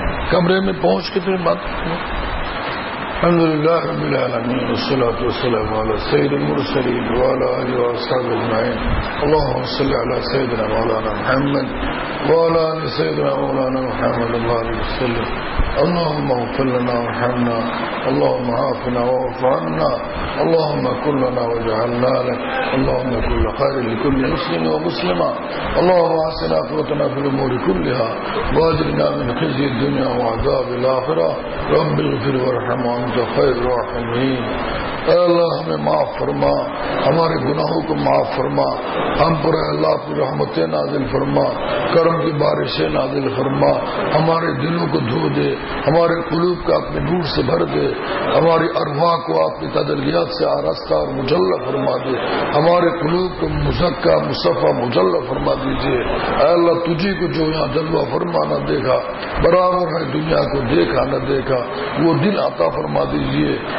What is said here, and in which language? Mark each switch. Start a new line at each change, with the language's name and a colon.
Urdu: کمرے میں پہنچ کے تمہیں بات
Arabic: الحمد لله رب العالمين والصلاة والسلام على سيد المرسلين وعلى آله وأصحابه أجمعين. اللهم صل على سيدنا مولانا محمد وعلى آل سيدنا مولانا محمد. اللهم صل اللهم اغفر لنا وارحمنا، اللهم عافنا واعف عنا، اللهم كن لنا واجعلنا لك، اللهم كن لخير لكل مسلم ومسلمة، اللهم احسن عاقبتنا في الأمور كلها، واجرنا من خزي الدنيا وعذاب الآخرة، رب اغفر وارحم وأنت خير الراحمين.
Urdu: اللہ ہمیں معاف فرما، ہمارے گناہوں کو معاف فرما، ہم پر اللہ کی رحمتیں نازل فرما، کرم کی بارشیں نازل فرما، ہمارے دلوں کو دھو دے، ہمارے قلوب کو اپنے نور سے بھر دے، ہماری ارواح کو اپنی تجلیات سے آراستہ اور مجلل فرما دے، ہمارے قلوب کو مزکا مصفہ مجلل فرما دیجئے. اے اللہ تجھی کو جو یہاں جلوہ فرما نہ دیکھا، برابر ہے دنیا کو دیکھا نہ دیکھا، وہ دل عطا فرما دیجئے